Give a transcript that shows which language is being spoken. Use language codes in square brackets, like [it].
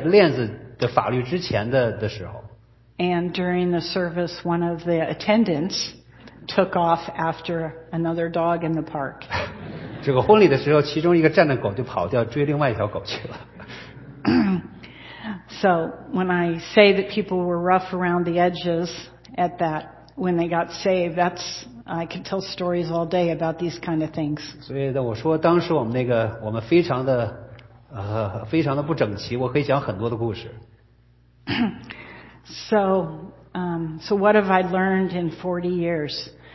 [zh] 这个在狗要一定要带那个链子的法律之前的时候。 [en] And during the service, one of the attendants took off after another dog in the park. [zh] 这个婚礼的时候，其中一个站着狗就跑掉，追另外一条狗去了。 [en] So when I say that people were rough around the edges at that when they got saved, that's I could tell stories all day about these kind of things. [zh] 所以呢，我说当时我们非常的不整齐，我可以讲很多的故事。 [en] So what have I learned in 40 years?